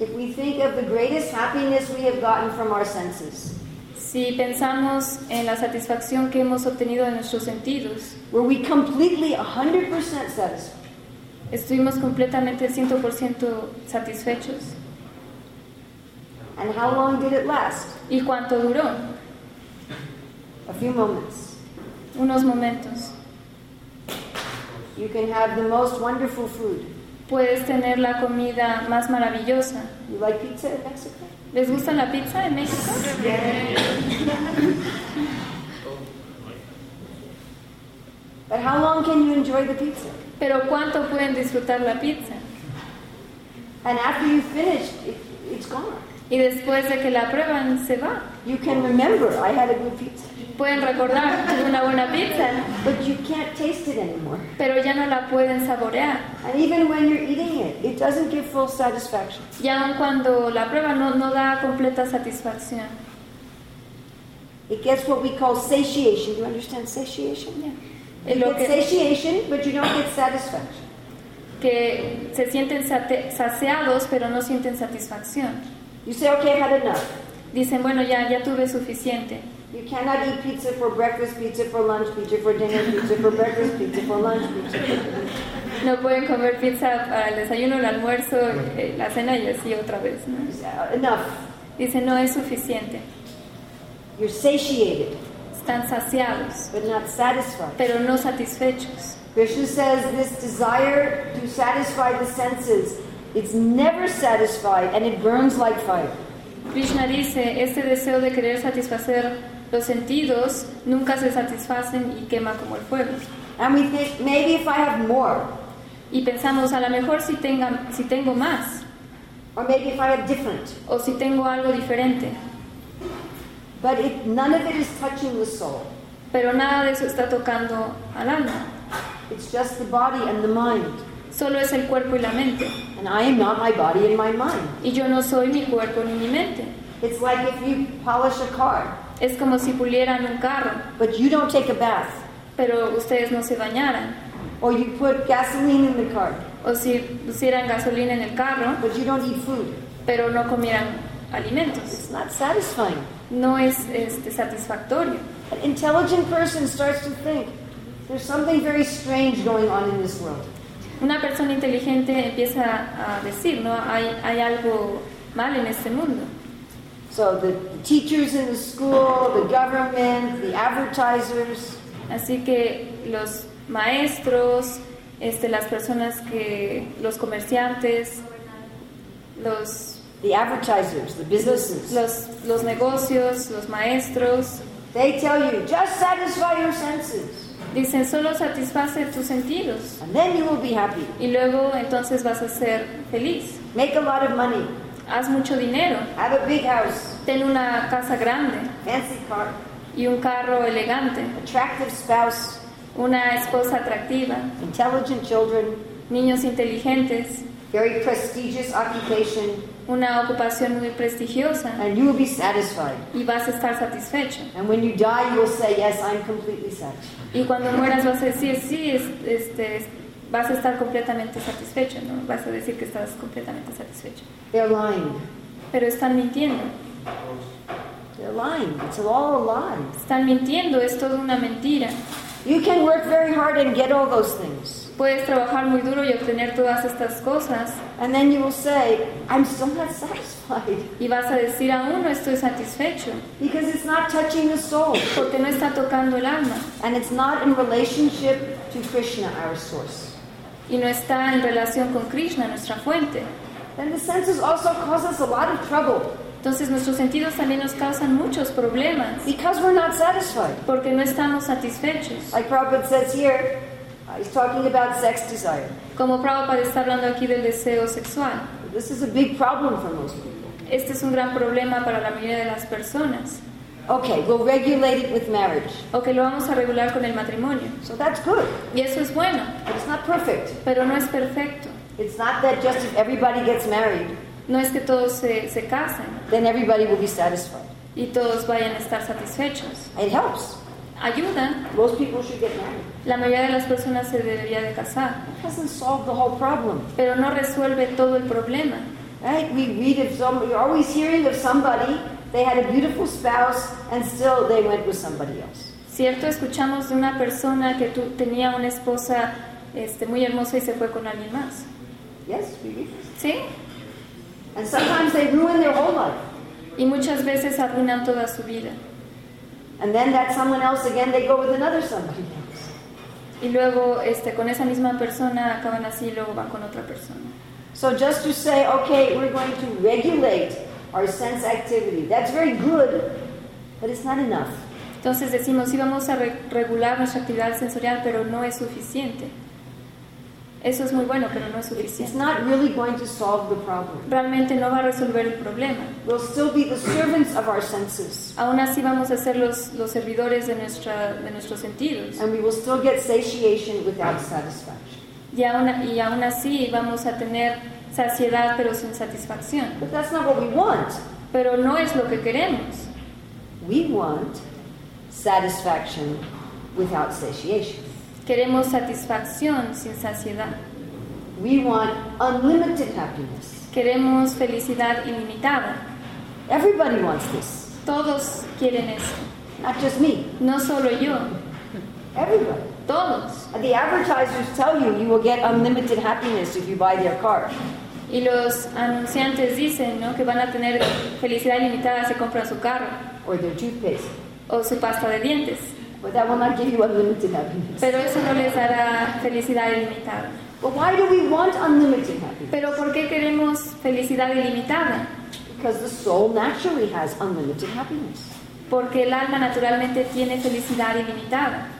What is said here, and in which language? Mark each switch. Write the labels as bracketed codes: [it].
[en] If we think of the greatest happiness we have gotten from our senses. [es] Si pensamos en la satisfacción que hemos obtenido de nuestros sentidos, [en] were we completely 100% satisfied? [es] Estuvimos completamente 100% satisfechos. [en] And how long did it last? [es] ¿Y cuánto duró? [en] A few moments. [es] Unos momentos. [en] You can have the most wonderful food. [es] Puedes tener la comida más maravillosa. [en] You like pizza in Mexico? [es] ¿Les gusta la pizza en México? [en] But how long can you enjoy the pizza? [es] ¿Pero cuánto pueden disfrutar la pizza? [en] And after you finish, it's gone. [es] Y después de que la prueban, se va. [en] You can remember, I had a good pizza. [es] Pueden recordar una buena pizza, [en] but you can't taste it anymore. [es] Pero ya no la pueden saborear. [en] And even when you're eating it, it doesn't give full satisfaction. [es] Y aun cuando la prueba no da completa satisfacción. [en] It gets what we call satiation. Do you understand satiation? Yeah. You get satiation, but you don't get satisfaction. [es] Que se sienten saciados, pero no sienten satisfacción. [en] You say, okay, I've had enough. [es] Dicen, bueno, ya tuve suficiente. [en] You cannot eat pizza for breakfast, pizza for lunch, pizza for dinner, pizza for breakfast, pizza for lunch, pizza for dinner. [es] No pueden comer pizza para el desayuno, el almuerzo, la cena y así otra vez, ¿no? [en] Enough. [es] Dicen, no es suficiente. [en] You're satiated. [es] Están saciados. [en] But not satisfied. [es] Pero no satisfechos. [en] Krishna says this desire to satisfy the senses, it's never satisfied and it burns like fire. [es] Krishna dice, este deseo de querer satisfacer los sentidos nunca se satisfacen y quema como el fuego. [en] And we think, maybe if I have more. [es] Y pensamos, a lo mejor si tengo más. [en] Or maybe if I have different. [es] O si tengo algo diferente. [en] But if none of it is touching the soul. [es] Pero nada de eso está tocando al alma. [en] It's just the body and the mind. [es] Solo es el cuerpo y la mente. [en] And I am not my body and my mind. [es] Y yo no soy mi cuerpo ni mi mente. [en] It's like if you polish a car. [es] Es como si pulieran un carro. [en] But you don't take a bath. [es] Pero ustedes no se bañaran. [en] Or you put gasoline in the car. [es] O si pusieran gasolina en el carro. [en] But you don't eat food. [es] Pero no comieran alimentos. [en] It's not satisfying. [es] No es satisfactorio. [en] An intelligent person starts to think there's something very strange going on in this world. [es] Una persona inteligente empieza a decir, ¿no? Hay algo mal en este mundo. [en] So the teachers in the school, the government, the advertisers. [es] Así que los maestros, las personas que los comerciantes, los [en] the advertisers, the businesses. [es] Los negocios, los maestros. [en] They tell you, just satisfy your senses. [es] Dicen, solo satisface tus sentidos. [en] And then you will be happy. [es] Y luego entonces vas a ser feliz. [en] Make a lot of money. [es] Haz mucho dinero. [en] Have a big house. [es] Ten una casa grande. [en] Fancy car. [es] Y un carro elegante. [en] Attractive spouse. [es] Una esposa atractiva. [en] Intelligent children. [es] Niños inteligentes. [en] Very prestigious occupation. [es] Una ocupación muy prestigiosa. [en] And you will be satisfied. [es] Y vas a estar satisfecho. [en] And when you die, you will say, yes, I'm completely satisfied. [es] Y cuando mueras vas a decir, sí, vas a estar completamente satisfecho, ¿no? Vas a decir que estás completamente satisfecho. [en] They're lying. [es] Pero están mintiendo. [en] They're lying. It's all a lie. [es] Están mintiendo, es toda una mentira. [en] You can work very hard and get all those things. [es] Puedes trabajar muy duro y obtener todas estas cosas. [en] And then you will say, I'm still not satisfied. [es] Y vas a decir, aún no estoy satisfecho. [en] Because it's not touching the soul. [es] Porque no está tocando el alma. [en] And it's not in relationship to Krishna, our source. [es] Y no está en relación con Krishna, nuestra fuente. [en] And the senses also cause us a lot of trouble. [es] Entonces nuestros sentidos también nos causan muchos problemas. [en] Because we're not satisfied. [es] Porque no estamos satisfechos. [en] Like Prabhupada says here, he's talking about sex desire. [es] Como Prabhupada está hablando aquí del deseo sexual. [en] This is a big problem for most people. [es] Este es un gran problema para la mayoría de las personas. [en] Okay, we'll regulate it with marriage. [es] Okay, lo vamos a regular con el matrimonio. [en] So that's good. [es] Y eso es bueno. [en] But it's not perfect. [es] Pero no es perfecto. [en] It's not that just if everybody gets married. [es] No es que todos se casen. [en] Then everybody will be satisfied. [es] Y todos vayan a estar satisfechos. [en] It helps. [es] Ayuda. [en] Most people should get married. [es] La mayoría de las personas se debería de casar. [en] It doesn't solve the whole problem. [es] Pero no resuelve todo el problema. [en] Right? We read of somebody, we're always hearing of somebody, they had a beautiful spouse and still they went with somebody else. [es] Cierto, escuchamos de una persona que tenía una esposa muy hermosa y se fue con alguien más. [en] Yes, we read. [es] ¿Sí? [en] And sometimes they ruin their whole life. [es] Y muchas veces arruinan toda su vida. [en] And then that someone else again, they go with another somebody else. [es] Y luego con esa misma persona acaban así y luego van con otra persona. [en] So just to say, okay, we're going to regulate our sense activity. That's very good, but it's not enough. [es] Entonces decimos, sí, vamos a regular nuestra actividad sensorial, pero no es suficiente. Eso es muy bueno, pero no es suficiente. [en] It's not really going to solve the problem. [es] Realmente no va a resolver el problema. [en] We'll still be the servants of our senses. [es] Aún así vamos a ser los servidores de nuestros sentidos. [en] And we will still get satiation without satisfaction. [es] Y aún así vamos a tener saciedad pero sin satisfacción. [en] But that's not what we want. [es] Pero no es lo que queremos. [en] We want satisfaction without satiation. [es] Queremos satisfacción sin saciedad. [en] We want unlimited happiness. [es] Queremos felicidad ilimitada. [en] Everybody wants this. [es] Todos quieren eso. [en] Not just me. [es] No solo yo. [en] Everybody. [es] Todos. [en] The advertisers tell you you will get unlimited happiness if you buy their car. [es] Y los anunciantes dicen, ¿no?, que van a tener felicidad ilimitada si compran su carro. [en] Or their toothpaste. [es] O su pasta de dientes. [en] But that will not give you unlimited happiness. [es] Pero eso no les dará felicidad ilimitada. [en] But why do we want unlimited happiness? [es] Pero ¿por qué queremos felicidad ilimitada? [en] Because the soul naturally has unlimited happiness. [es] Porque el alma naturalmente tiene felicidad ilimitada.